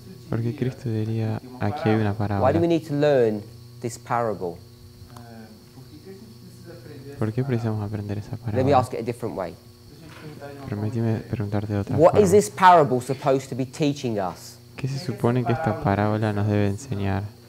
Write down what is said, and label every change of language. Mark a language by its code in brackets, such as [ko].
[es] ¿Por qué Cristo diría, aquí hay una parábola? [en] Why do we need to learn this parable? [es] ¿Por qué precisamos aprender esa parábola? [en] Let me ask it a different way. [es] Permíteme preguntarte de otra forma. [en] What is this parable supposed to be teaching us? [es] ¿Qué se supone que esta parábola nos debe enseñar?